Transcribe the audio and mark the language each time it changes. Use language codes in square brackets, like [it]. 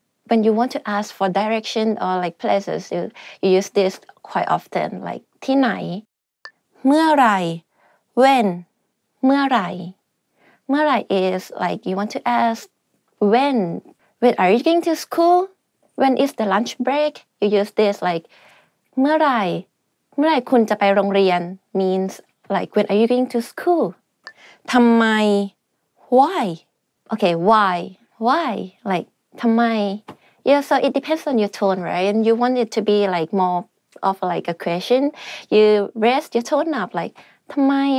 [en] When you want to ask for direction or like places, you use this quite often, like [th] ที่ไหน? เมื่อไหร่? [en] When? เมื่อไหร่? เมื่อไหร่ is like you want to ask when are you going to school? When is the lunch break? You use this like เมื่อไหร่? [th] เมื่อไหร่ คุณจะไปโรงเรียน? [en] Means like when are you going to school? ทำไม? Why? Okay, why? Why? Like ทำไม? Yeah, so it depends on your tone, right? And you want it to be like more of like a question. You raise your tone up like ทำไม?